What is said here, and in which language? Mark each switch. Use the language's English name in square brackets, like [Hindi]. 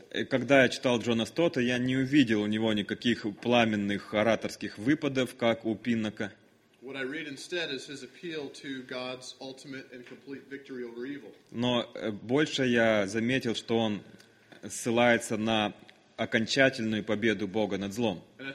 [Russian] Когда я читал Джона Стотта, я не увидел у него никаких пламенных ораторских выпадов, как у Пиннока. [English] What I read instead is his appeal to God's ultimate and complete victory over evil. [Russian] Но больше я заметил, что он ссылается на окончательную победу Бога над злом.